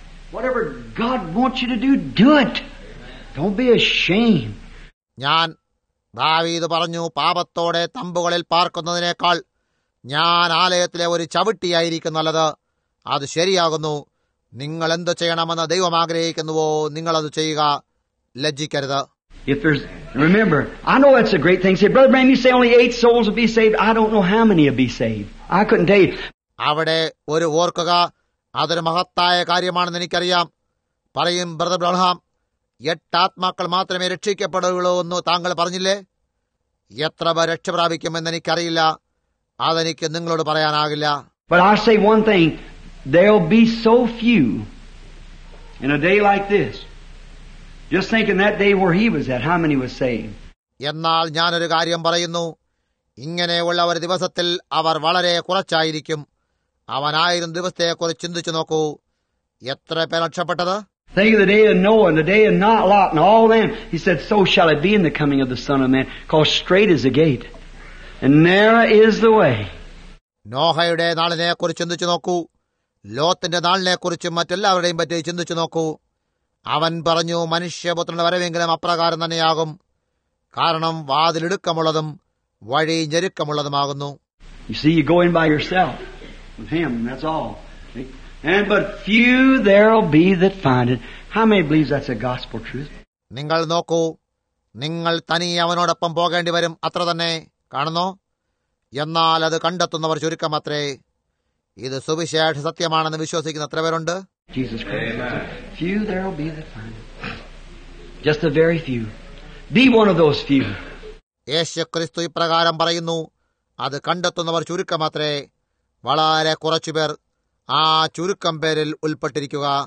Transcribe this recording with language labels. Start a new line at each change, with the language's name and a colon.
English: Whatever God wants you to do, do it. Don't be ashamed.
Malayalam: ഞാൻ, ദാവീദ് പറഞ്ഞു, പാപത്തോടെ തമ്പുകളിൽ പാർക്കുന്നതിനേക്കാൾ ഞാൻ ആലയത്തിലെ ഒരു ചവിട്ടിയായിരിക്കും നല്ലത്. അത് ശരിയാകുന്നു. നിങ്ങൾ എന്ത് ചെയ്യണമെന്ന് ദൈവം ആഗ്രഹിക്കുന്നുവോ നിങ്ങളത് ചെയ്യുക. ലജ്ജിക്കരുത്.
English: If there's, remember, I know that's a great thing. Say, Brother Branham, you say only 8 souls will be saved. I don't know how many will be saved. I couldn't tell you.
Malayalam: അവിടെ ഒരു ഓർക്കുക, അതൊരു മഹത്തായ കാര്യമാണെന്ന് എനിക്കറിയാം. പറയും, brother ബ്രഹാം, 8 ആത്മാക്കൾ മാത്രമേ രക്ഷിക്കപ്പെടുകയുള്ളൂ എന്ന് താങ്കൾ പറഞ്ഞില്ലേ? എത്ര പേർ രക്ഷപ്രാപിക്കുമെന്ന് എനിക്കറിയില്ല. അതെനിക്ക് നിങ്ങളോട് പറയാനാകില്ല.
English: But I say one thing, there'll be so few in a day like this. Just think in that day where he was at, how many was saved.
Malayalam: എന്നാൽ ഞാനൊരു കാര്യം പറയുന്നു, ഇങ്ങനെയുള്ള ഒരു ദിവസത്തിൽ അവർ വളരെ കുറച്ചായിരിക്കും. അവനായിരുന്ന ദിവസത്തെക്കുറിച്ച് ചിന്തിച്ചു നോക്കൂ, എത്ര പേർ രക്ഷപ്പെട്ടത്?
English: Think of the day of Noah and the day of Not Lot and all them. He said, so shall it be in the coming of the Son of Man, because straight is the gate and narrow is the way.
Malayalam: നോഹയുടെ നാളിനെക്കുറിച്ച് ചിന്തിച്ചു നോക്കൂ, ലോത്തിന്റെ നാളിനെക്കുറിച്ചും മറ്റെല്ലാവരുടെയും പറ്റി ചിന്തിച്ചു നോക്കൂ. അവൻ പറഞ്ഞു, മനുഷ്യപുത്രന്റെ വരവെങ്കിലും അപ്രകാരം തന്നെയാകും. കാരണം വാതിലെടുക്കമുള്ളതും വഴി ഞെരുക്കമുള്ളതുമാകുന്നു.
English: You see, you go in by yourself with him, and that's all. And but few there'll be that find it. How many believes that's a gospel truth?
Malayalam: നിങ്ങൾ നോക്കൂ, നിങ്ങൾ തനി അവനോടൊപ്പം പോകേണ്ടി വരും, അത്ര തന്നെ. കാണുന്നോ? എന്നാൽ അത് കണ്ടെത്തുന്നവർ ചുരുക്കം അത്രേ. ഇത് സുവിശേഷ സത്യമാണെന്ന് വിശ്വസിക്കുന്ന എത്ര പേരുണ്ട്?
English: Jesus Christ. Few there'll be that find it. Just a very few. Be one of those few.
Malayalam: യേശുക്രിസ്തു ഇപ്രകാരം പറയുന്നു, അത് കണ്ടെത്തുന്നവർ ചുരുക്കമാത്രേ. വളരെ കുറച്ചുപേർ ആ ചുരുക്കം പേരിൽ ഉൾപ്പെട്ടിരിക്കുക.